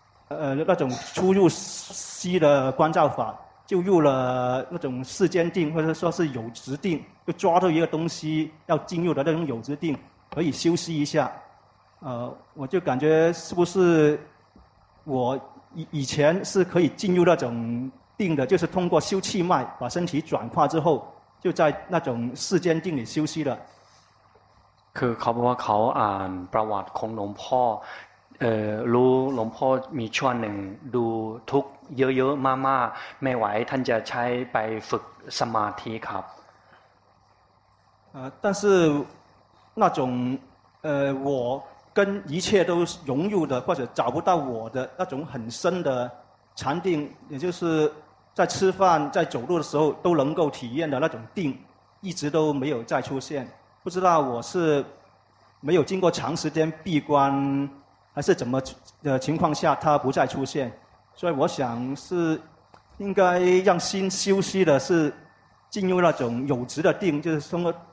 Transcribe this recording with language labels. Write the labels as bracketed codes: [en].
[zh] 那种出入息的观照法，就入了那种世间定，或者说是有执定，就抓住一个东西要进入的那种有执定，可以休息一下。我就感觉是不是我以前是可以进入那种定的，就是通过修气脉把身体转化之后，就在那种世间定里休息了。 [th] คือเขาบอกว่าเขาอ่านประวัติของหลวงพ่อรู้หลวงพ่อมีช่วงหนึ่งดูทุกข์เยอะๆมากๆไม่ไหวท่านจะใช้ไปฝึกสมาธิครับ [zh] 但是那种我跟一切都融入的或者找不到我的那种很深的禅定，也就是在吃饭在走路的时候都能够体验的那种定，一直都没有再出现，不知道我是没有经过长时间闭关还是怎么的情况下它不再出现，所以我想是应该让心休息的是进入那种有执的定，就是通过